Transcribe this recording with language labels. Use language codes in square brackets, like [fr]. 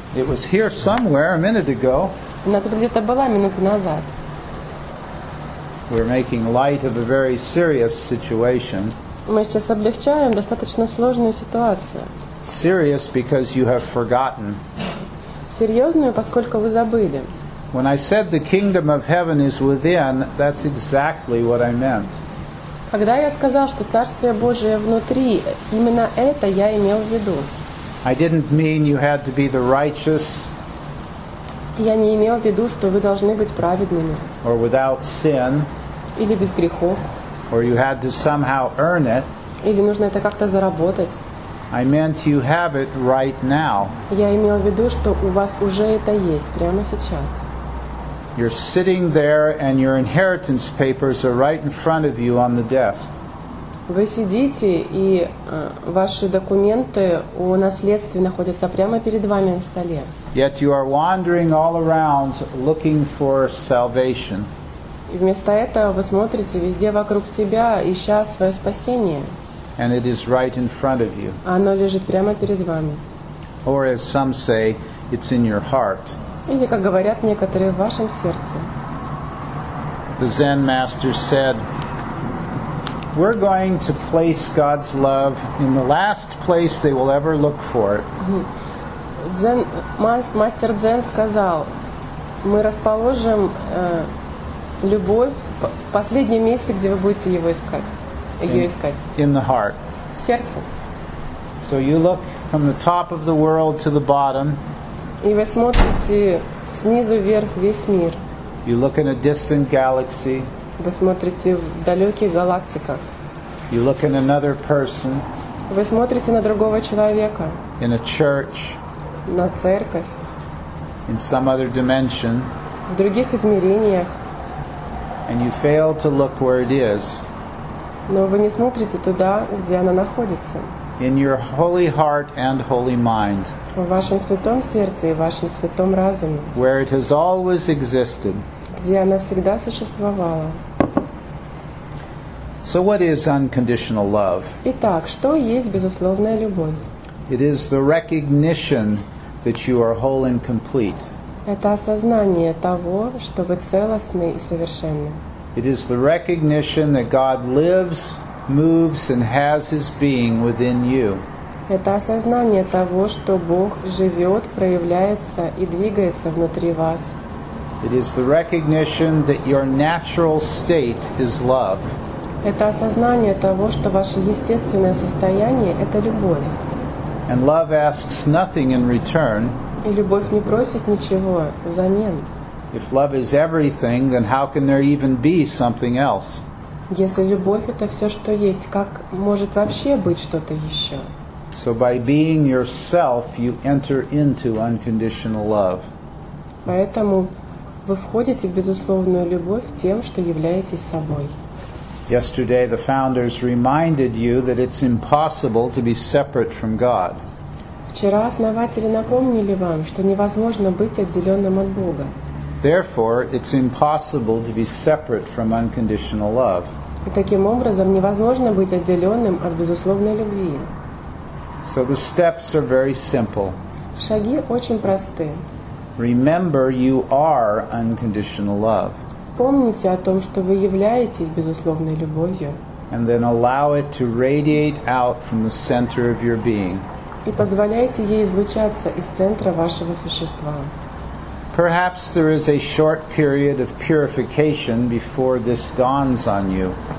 [en] It was here somewhere a minute ago. [ru] Она тут где-то была минуту назад. [en] We're making light of a very serious situation. [ru] Мы сейчас облегчаем достаточно сложную ситуацию. [en] Serious because you have forgotten. [ru] Серьезную, поскольку вы забыли. [en] When I said the kingdom of heaven is within, that's exactly what I meant. [ru] Когда я сказал, что Царствие Божие внутри, именно это я имел в виду. [en] I didn't mean you had to be the righteous. [ru] Я не имел в виду, что вы должны быть праведными. [en] Or without sin. [ru] Или без грехов. [en] Or you had to somehow earn it. [ru] Или нужно это как-то заработать. [en] I meant you have it right now. [ru] Я имел в виду, что у вас уже это есть прямо сейчас. [en] You're sitting there and your inheritance papers are right in front of you on the desk. [ru] Вы сидите, и ваши документы о наследстве находятся прямо перед вами на столе. [en] Yet you are wandering all around looking for salvation. [ru] И вместо этого вы смотрите везде вокруг себя, ища свое спасение. [en] And it is right in front of you. [ru] Оно лежит прямо перед вами. [en] Or as some say, it's in your heart. [ru] Или, как говорят некоторые, в вашем сердце. [en] The Zen master said, we're going to place God's love in the last place they will ever look for it. [ru] Мастер Дзен сказал, мы расположим любовь в последнем месте, где вы будете его искать. Ее искать. [en] In the heart. [ru] В сердце. [en] So you look from the top of the world to the bottom. [ru] И вы смотрите снизу вверх весь мир. [en] You look in a distant galaxy. [ru] Вы смотрите в далеких галактиках. [en] You look in another person. [ru] Вы смотрите на другого человека. [en] In a church. [ru] На церковь. [en] In some other dimension. [ru] В других измерениях. [en] And you fail to look where it is. [ru] Но вы не смотрите туда, где она находится. [en] In your holy heart and holy mind. [ru] В вашем святом сердце и вашем святом разуме. [en] Where it has always existed. [ru] Где она всегда существовала. [en] So what is unconditional love? [ru] Итак, что есть безусловная любовь? [en] It is the recognition that you are whole and complete. [ru] Это осознание того, что вы целостны и совершенны. [en] It is the recognition that God lives, moves, and has his being within you. [ru] Это осознание того, что Бог живет, проявляется и двигается внутри вас. [en] It is the recognition that your natural state is love. [ru] Это осознание того, что ваше естественное состояние – это любовь. [en] And love asks nothing in return. [ru] И любовь не просит ничего взамен. [en] If love is everything, then how can there even be something else? [ru] Если любовь – это все, что есть, как может вообще быть что-то еще? [en] So by being yourself, you enter into unconditional love. [ru] Поэтому вы входите в безусловную любовь тем, что являетесь собой. [en] Yesterday the founders reminded you that it's impossible to be separate from God. [ru] Вчера основатели напомнили вам, что невозможно быть отделенным от Бога. [en] Therefore, it's impossible to be separate from unconditional love. [ru] И таким образом невозможно быть отделенным от безусловной любви. [en] So the steps are very simple. [ru] Шаги очень просты. [en] Remember, you are unconditional love. [ru] Помните о том, что вы являетесь безусловной любовью. [en] And then allow it to radiate out from the center of your being. [ru] И позволяйте ей излучаться из центра вашего существа. [en] Perhaps there is a short period of purification before this dawns on you.